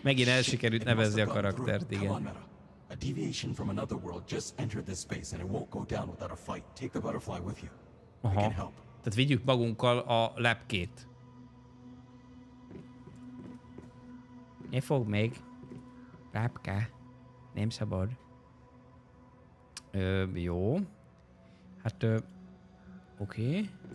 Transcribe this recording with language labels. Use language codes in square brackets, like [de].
[hu] Megint elsikerült nevezni a karaktert, igen. [en] Come on, Meta. A deviation from another world just entered this space, and it won't go down without a fight. Take the butterfly with you. Aha. Can help. [hu] Tehát vigyük magunkkal a lepkét. Ne fogd még, lepke, nem szabad. Jó. Hát, oké.